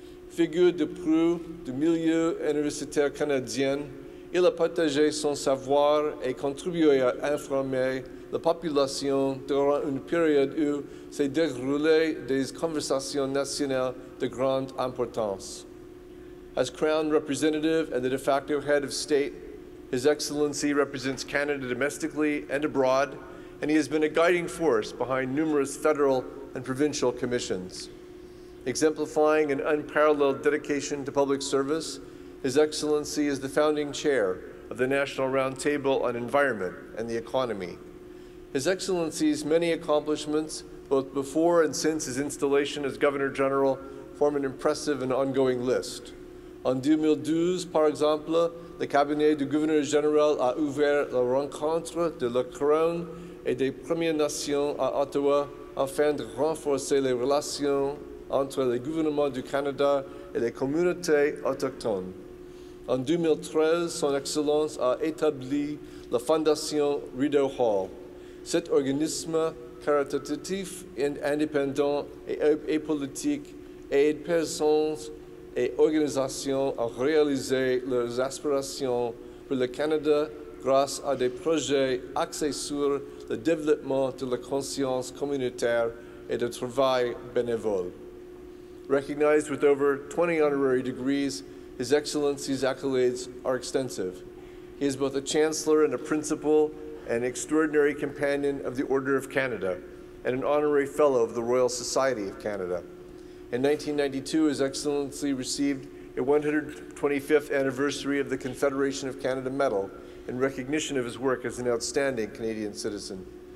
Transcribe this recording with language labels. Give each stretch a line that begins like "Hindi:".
French: Figure de proue du milieu universitaire canadien, il a partagé son savoir et contribué à informer la population durant une période où s'est déroulé des conversations nationales de grande importance.
English: As Crown Representative and the de facto head of state, His Excellency represents Canada domestically and abroad, and he has been a guiding force behind numerous federal and provincial commissions. Exemplifying an unparalleled dedication to public service, His Excellency is the founding chair of the National Roundtable on Environment and the Economy. His Excellency's many accomplishments, both before and since his installation as Governor General, form an impressive and ongoing list.
French: En 2012, par exemple, le cabinet du gouverneur général a ouvert la rencontre de la Couronne et des Premières Nations à Ottawa afin de renforcer les relations entre le gouvernement du Canada et les communautés autochtones. En 2013, Son Excellence a établi la Fondation Rideau Hall. Cet organisme caritatif et indépendant et apolitique aide personnes et organisations à réaliser leurs aspirations pour le Canada grâce à des projets axés sur le développement de la conscience communautaire et de travail bénévole.
English: Recognized with over 20 honorary degrees, His Excellency's accolades are extensive. He is both a chancellor and a principal an extraordinary companion of the Order of Canada, and an honorary fellow of the Royal Society of Canada. In 1992, His Excellency received a 125th anniversary of the Confederation of Canada Medal in recognition of his work as an outstanding Canadian citizen.